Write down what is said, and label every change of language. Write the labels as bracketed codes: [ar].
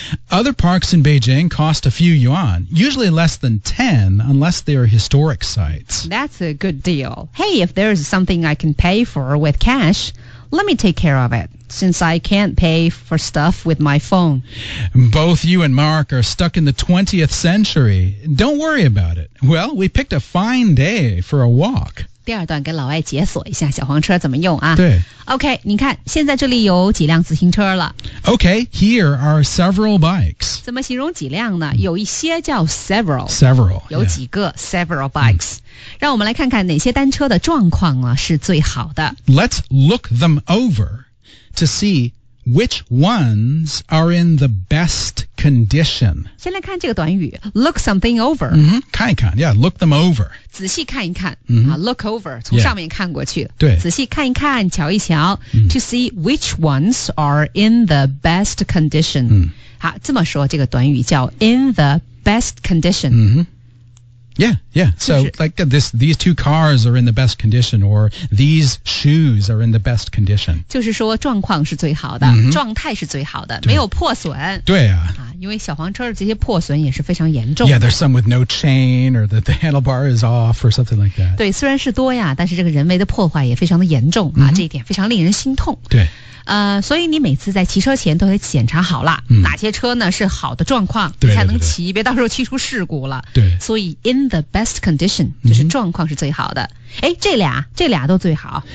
[en] Other parks in Beijing cost a few yuan, usually less than 10 unless they are historic sites. That's a good deal. Hey, if there's something I can pay for with cash, let me take care of it. Since I can't pay for stuff with my phone. Both you and Mark are stuck in the 20th century. Don't worry about it. Well, we picked a fine day for a walk. [zh] 第二段跟老外解锁一下小黄车怎么用啊。对。 OK, 你看现在这里有几辆自行车了。 [en] OK, here are several bikes. [zh] 怎么形容几辆呢有一些叫 several. [en] Several. [zh] 有几个 [en] several bikes. [zh] 让我们来看看哪些单车的状况呢是最好的。 [en] Let's look them over. To see which ones are in the best condition. [zh] 先来看这个短语 [en] look something over.、 Mm-hmm. 看一看 yeah, look them over. [zh] 仔细看一看、 mm-hmm. 啊、 [en] look over, [zh] 从上面看过去。对、仔细看一看瞧一瞧、 [en] to see which ones are in the best condition.、 [zh] 好这么说这个短语叫 [en] in the best condition.、 Mm-hmm. Yeah, yeah. So, like, these two cars are in the best condition, or these shoes are in the best condition. [zh] 就是说状况是最好的、状态是最好的没有破损。对啊。因为小黄车的这些破损也是非常严重的。 [en] Yeah, there's some with no chain, or the handlebar is off, or something like that. [zh] 对虽然是多呀但是这个人为的破坏也非常的严重、这一点非常令人心痛。对。所以你每次在骑车前都得检查好了、哪些车呢是好的状况你才能骑别到时候骑出事故了对所以 [en] in the best condition [zh] 就是状况是最好的哎、这俩都最好